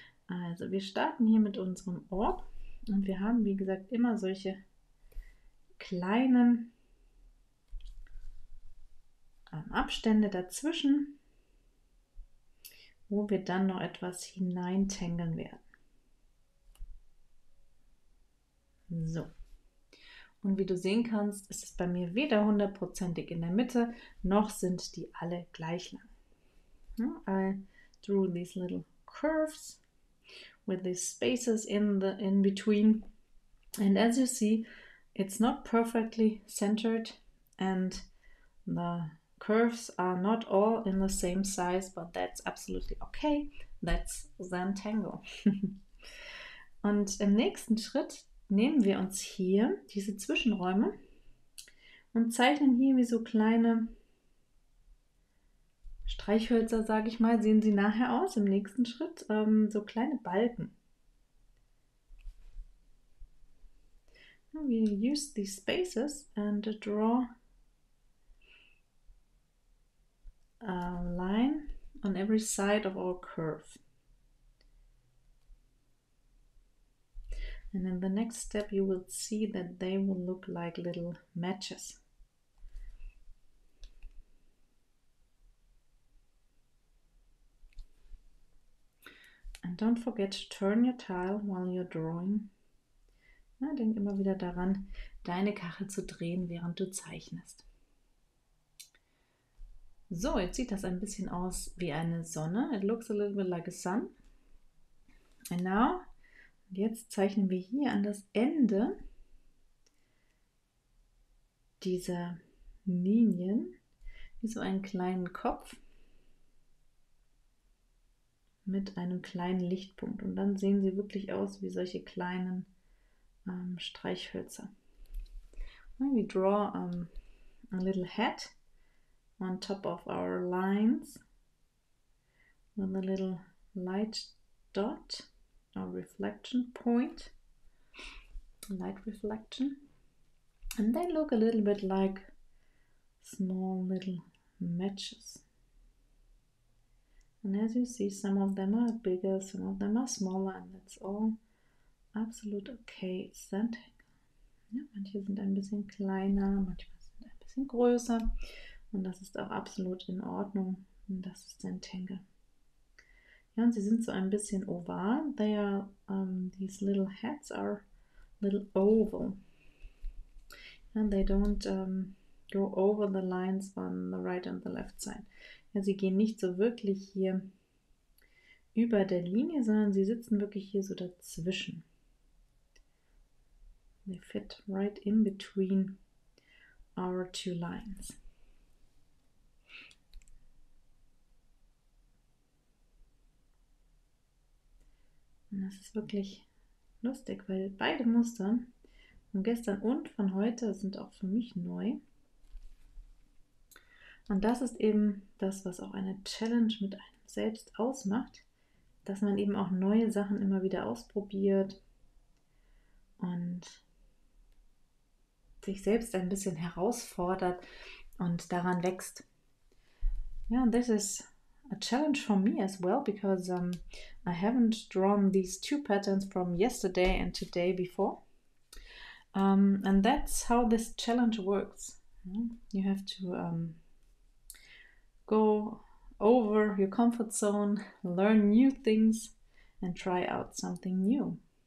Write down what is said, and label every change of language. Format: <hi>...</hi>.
<de>Also, wir starten hier mit unserem Orb und wir haben, wie gesagt, immer solche kleinen Abstände dazwischen, wo wir dann noch etwas hineintangeln werden. So. Und wie du sehen kannst, ist es bei mir weder hundertprozentig in der Mitte, noch sind die alle gleich lang.</de> <en>I drew these little curves with these spaces in between. And as you see, it's not perfectly centered and the curves are not all in the same size, but that's absolutely okay. That's Zentangle.</en> <de>Und im nächsten Schritt nehmen wir uns hier diese Zwischenräume und zeichnen hier wie so kleine Streichhölzer, sage ich mal, sehen sie nachher aus im nächsten Schritt, so kleine Balken.</de> <en>We use these spaces and draw a line on every side of our curve. And in the next step, you will see that they will look like little matches. And don't forget to turn your tile while you're drawing.</en> <de>Na, denk immer wieder daran, deine Kachel zu drehen, während du zeichnest. So, jetzt sieht das ein bisschen aus wie eine Sonne.</de> <en>It looks a little bit like a sun.</en> <de>Genau. Und jetzt zeichnen wir hier an das Ende dieser Linien wie so einen kleinen Kopf mit einem kleinen Lichtpunkt. Und dann sehen sie wirklich aus wie solche kleinen Streichhölzer.</de> <en>We draw a little hat on top of our lines with a little light dot or reflection point, light reflection, and they look a little bit like small little matches. And as you see, some of them are bigger, some of them are smaller, and that's all absolute okay. Center.</en> <de>Ja, manche sind ein bisschen kleiner, manche sind ein bisschen größer und das ist auch absolut in Ordnung. Und das ist ein Tangle. Ja, und sie sind so ein bisschen oval.</de> <en>They are, these little hats are little oval. And they don't go over the lines on the right and the left side.</en> <de>Ja, sie gehen nicht so wirklich hier über der Linie, sondern sie sitzen wirklich hier so dazwischen.</de> <en>They fit right in between our two lines.</en> <de>Und das ist wirklich lustig, weil beide Muster von gestern und von heute sind auch für mich neu. Und das ist eben das, was auch eine Challenge mit einem selbst ausmacht, dass man eben auch neue Sachen immer wieder ausprobiert und sich selbst ein bisschen herausfordert und daran wächst.</de> <en>Ja, yeah, this is a challenge for me as well, because I haven't drawn these two patterns from yesterday and today before. And that's how this challenge works. You have to go over your comfort zone, learn new things and try out something new.</en>